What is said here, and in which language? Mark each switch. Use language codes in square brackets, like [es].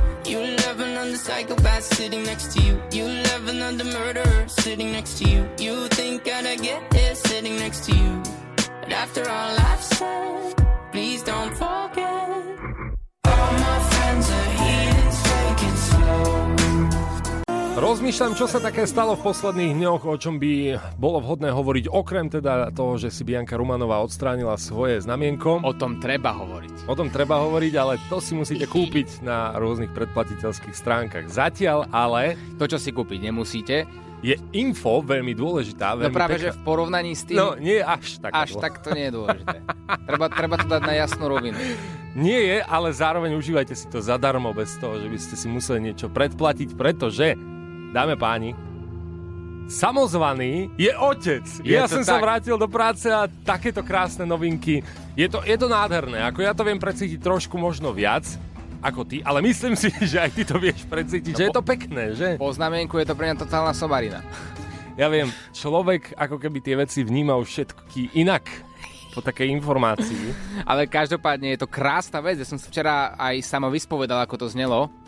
[en] You love another psychopath sitting next to you. You love another murderer sitting next to you. You think I'd get here sitting next to you. But after all I've said, please don't forget. [sk] Rozmýšľam, čo sa také stalo v posledných dňoch, o čom by bolo vhodné hovoriť, okrem teda toho, že si Bianca Rumanová odstránila svoje znamienko. O tom treba hovoriť. O tom treba hovoriť, ale to si musíte kúpiť na rôznych predplatiteľských stránkach. Zatiaľ ale... To, čo si kúpiť nemusíte... Je info veľmi dôležitá. Veľmi no práve, že v porovnaní s tým... No, nie je až tak. Až tak to nie je dôležité. Treba to dať na jasnú rovinu. Nie je, ale zároveň užívajte si to zadarmo bez toho, že by ste si museli niečo predplatiť, pretože, dáme páni, samozvaný je otec. Je ja som tak. Sa vrátil do práce a takéto krásne novinky. Je to nádherné. Ako ja to viem precítiť trošku možno viac ako ty, ale myslím si, že aj ty to vieš precítiť, no, že je to pekné, že? Po znamienku je to pre mňa totálna somarina. Ja viem, človek ako keby tie veci vnímal všetky inak. Po takej informácii. Ale každopádne je to krásna vec. Ja som si včera aj samo vyspovedal, ako to znelo.